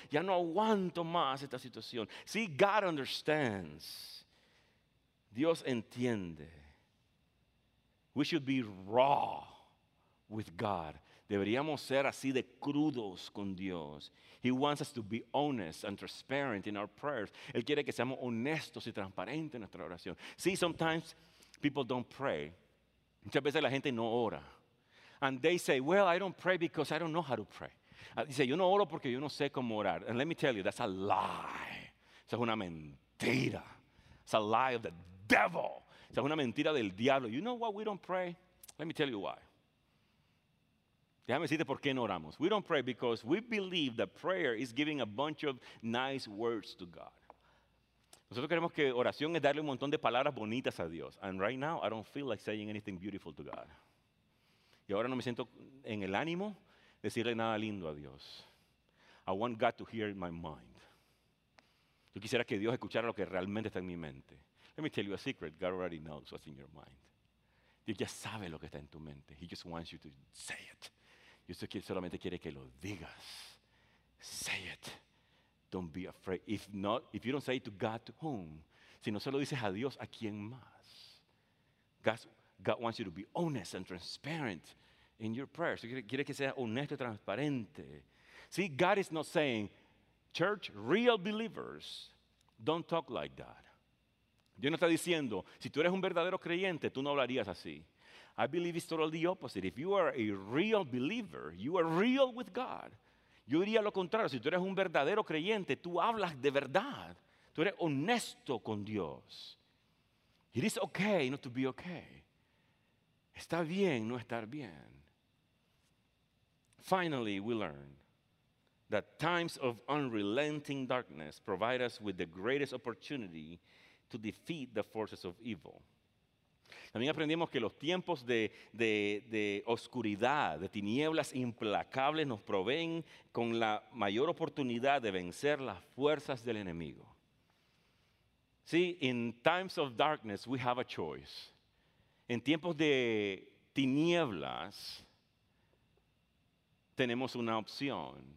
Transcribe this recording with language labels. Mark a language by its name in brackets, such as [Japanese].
[Spanish] Ya no aguanto más esta situación. [English] See, God understands. [Spanish] Dios entiende. [English] We should be raw with God. [Spanish] Deberíamos ser así de crudos con Dios. [English] He wants us to be honest and transparent in our prayers. [Spanish] Él quiere que seamos honestos y transparentes en nuestra oración. [English] See, sometimes people don't pray. [Spanish] Muchas veces la gente no ora. [English] And they say, well, I don't pray because I don't know how to pray. [Spanish] Dice, yo no oro porque yo no sé cómo orar. [English] And let me tell you, that's a lie. [Spanish] Esa es una mentira. [English] It's a lie of the devil. [Spanish] Esa es una mentira del diablo. [English] You know why we don't pray? Let me tell you why. [Spanish] Déjame decirte por qué no oramos. [English] We don't pray because we believe that prayer is giving a bunch of nice words to God. [Spanish] Nosotros queremos que oración es darle un montón de palabras bonitas a Dios. [English] And right now, I don't feel like saying anything beautiful to God. [Spanish] Y ahora no me siento en el ánimo de decirle nada lindo a Dios. [English] I want God to hear my mind. [Spanish] Yo quisiera que Dios escuchara lo que realmente está en mi mente. [English] Let me tell you a secret. God already knows what's in your mind. [Spanish] Dios ya sabe lo que está en tu mente. [English] He just wants you to say it. [Spanish] Dios solamente quiere que lo digas. [English] Say it. Don't be afraid. If not, if you don't say it to God, to whom? [Spanish] Si no se lo dices a Dios, ¿a quién más? [English] God wants you to be honest and transparent in your prayers. [Spanish] Quiere que seas honesto y transparente. [English] See, God is not saying, church, real believers, don't talk like that. [Spanish] Dios no está diciendo, si tú eres un verdadero creyente, tú no hablarías así. [English] I believe it's totally the opposite. If you are a real believer, you are real with God. [Spanish] Yo diría lo contrario. Si tú eres un verdadero creyente, tú hablas de verdad. Tú eres honesto con Dios. [English] It is okay not to be okay. [Spanish] Está bien no estar bien. [English] Finally, we learn that times of unrelenting darkness provide us with the greatest opportunity to defeat the forces of evil. [Spanish] También aprendimos que los tiempos de oscuridad, de tinieblas implacables, nos proveen con la mayor oportunidad de vencer las fuerzas del enemigo. [English] See, in times of darkness, we have a choice. [Spanish] En tiempos de tinieblas, tenemos una opción.